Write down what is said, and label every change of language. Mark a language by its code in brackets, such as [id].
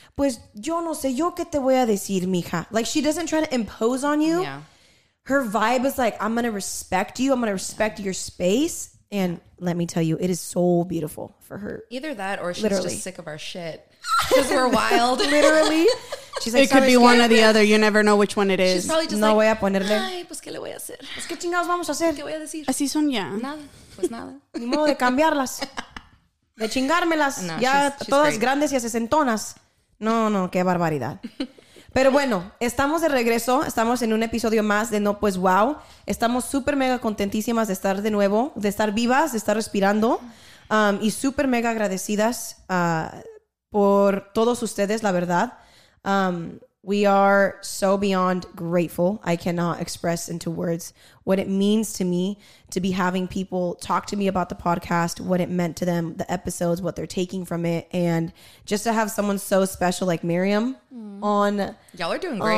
[es] Pues yo no sé, yo qué te voy a decir, mija. [en] Like, she doesn't try to impose on you. Yeah. Her vibe is like, I'm going to respect you. I'm going to respect your space. And let me tell you, it is so beautiful for her. Either that or she's literally just sick of our shit. Because we're wild. Literally. She's like, it could be one or the other. You never know which one it is. She's probably just no like, [es] voy a ponerle. Ay, pues qué le voy a hacer. Pues qué chingados vamos a hacer. Qué voy a decir. Así son ya. Nada. Pues nada. Ni modo de cambiarlas. De chingármelas. No, ya [en] she's [es] todas [en] great. [es] Grandes y a sesentonas. No, no, qué barbaridad. Pero bueno, estamos de regreso. Estamos en un episodio más de No Pues Wow. Estamos súper mega contentísimas de estar de nuevo, de estar vivas, de estar respirando. Y súper mega agradecidas por todos ustedes, la verdad. [en] We are so beyond grateful. I cannot express into words what it means to me to be having people talk to me about the podcast, what it meant to them, the episodes, what they're taking from it, and just to have someone so special like Miriam on y'all are doing great